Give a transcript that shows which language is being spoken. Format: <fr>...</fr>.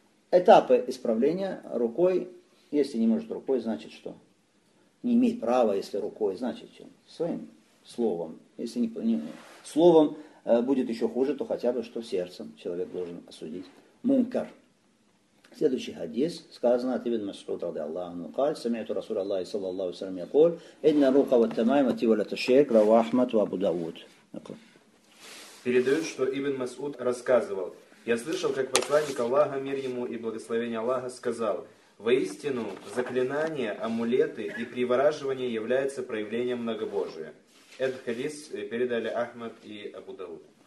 <ru>Этапы исправления рукой, если не может рукой, значит что? Не имеет права, если рукой, значит чем? Своим словом. Если словом будет еще хуже, то хотя бы что сердцем человек должен осудить мункар. Следующий хадис сказано от Ибн Масуд ради Аллаху</ru> <ar>قال سمعت رسول الله صلى الله عليه وسلم يقول إن الرقى والتمائم تولى تشيك روى أحمد وأبو داود.</ar> <ru>Передают, что Ибн Масуд рассказывал: я слышал, как посланник Аллаха, мир ему и благословение Аллаха, сказал: воистину, заклинания, амулеты и привораживание являются проявлением многобожия. Этот хадис передали Ахмад и Абу Дауд.</ru>